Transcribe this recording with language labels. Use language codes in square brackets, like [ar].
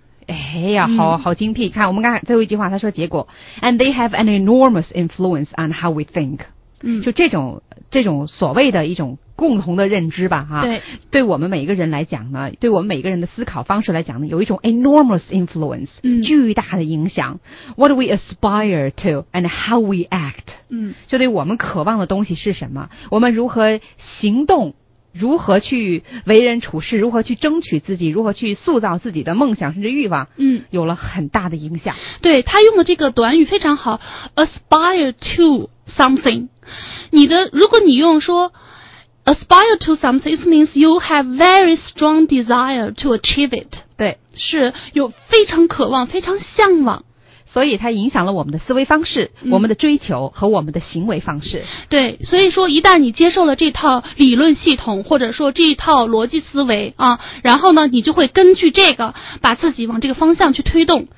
[zh] 哎呀，好精辟、嗯、看我们刚才最后一句话，他说结果 [en] And they have an enormous influence on how we think。 [zh] 嗯，就这种所谓的一种共同的认知吧，哈、啊，对我们每一个人来讲呢，对我们每一个人的思考方式来讲呢，有一种 [en] enormous influence，、 [zh] 嗯、巨大的影响。 [en] What we aspire to and how we act， [zh] 嗯，就对我们渴望的东西是什么，我们如何行动，如何去为人处事，如何去争取自己，如何去塑造自己的梦想甚至欲望，嗯，有了很大的影响。对，他用的这个短语非常好 ，aspire to something。你的，如果你用说 [en] aspire to something, it means you have very strong desire to achieve it. [zh] 对，是有非常渴望，非常向往。所以它影响了我们的思维方式、嗯、我们的追求和我们的行为方式。对，所以说一旦你接受了这套理论系统或者说这一套逻辑思维啊，然后呢，你就会根据这个把自己往这个方向去推动。